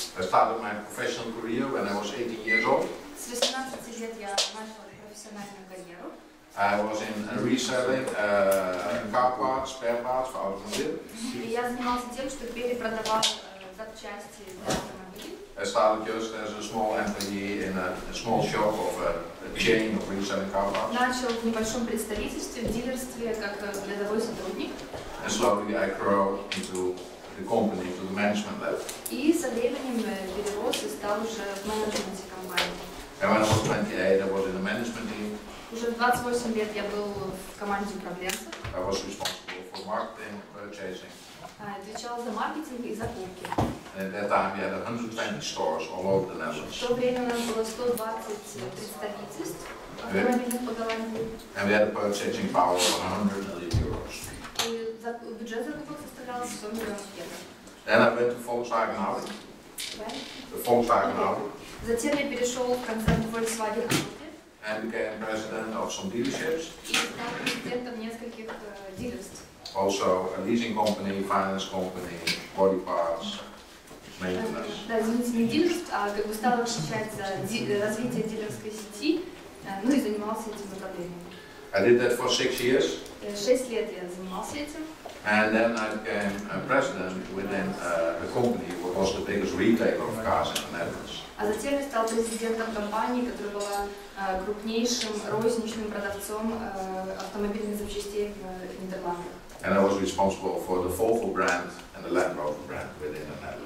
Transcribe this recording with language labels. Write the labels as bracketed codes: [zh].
[en] I started my professional career when I was 18 years old. [ru] С 18 лет я начал профессиональную карьеру. [en] I was in reselling car parts, spare parts for automobiles. [ru] И я занимался тем, что перепродавал запчасти для автомобилей. [en] I started just as a small employee in a small shop of a chain of reselling car parts. [ru] Начал в небольшом представительстве, в дилерстве, как рядовой сотрудник. [en] And slowly I grew into the company, to the management level. [ru] И со временем перерос и стал уже в менеджменте компании. [en] And when I was 28, I was in the management team. [ru] Уже 28 лет я был в команде управленцев. [en] I was responsible for marketing, purchasing. [ru] Отвечал за маркетинг и закупки. [en] At that time we had 120 stores all over the Netherlands. [ru] В то время у нас было 120 представительств автомобильных по Голландии. [en] And we had a purchasing power of 100 million euros. [ru] И бюджет закупок составлял 100 миллионов [en] евро. Then I went to Volkswagen Audi. The Volkswagen Audi. [ru] Затем я перешел в концерн Volkswagen Audi. [en] And became president of some dealerships. [ru] И стал президентом нескольких дилерств. [en] Also a leasing company, finance company, body parts. [ru] Да, извините, не дилерств, а как бы стал отвечать за развитие дилерской сети, ну и занимался этим направлением. [en] I did that for 6 years. [ru] 6 лет я занимался этим. [en] And then I became a president within a company that was the biggest retailer of cars in the Netherlands. [ru] А затем я стал президентом компании, которая была крупнейшим розничным продавцом автомобильных запчастей в Нидерландах. [en] And I was responsible for the Volvo brand and the Land Rover brand within the Netherlands.